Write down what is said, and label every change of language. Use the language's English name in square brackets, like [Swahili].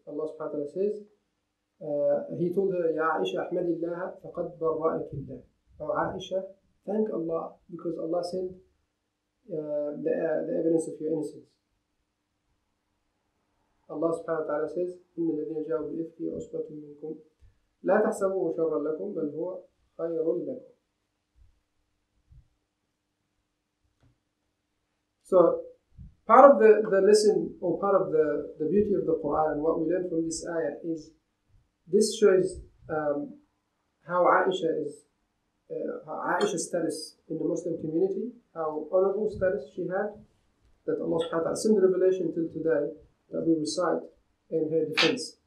[English] Allah subhanahu wa ta'ala says, he told her, [Arabic] Ya Aisha, ahmadillah, faqad barra'aki Allah. [English] O Aisha, thank Allah because Allah sent the evidence of your innocence. Allah subhanahu wa ta'ala says, [Arabic] إِنَّ الَّذِينَ جَاءُوا بِالْإِفْكِ عُصْبَةٌ مِنْكُمْ لَا تَحْسَبُوهُ شَرًّا لَكُمْ بَلْ هُوَ خَيْرٌ لَكُمْ. [English] So, part of the lesson, or part of the beauty of the Qur'an, and what we learn from this ayah is, this shows how Aisha is, Aisha's status in the Muslim community, how honorable status she had, that Allah subhanahu wa ta'ala sent the revelation till today, that we recite in her defense.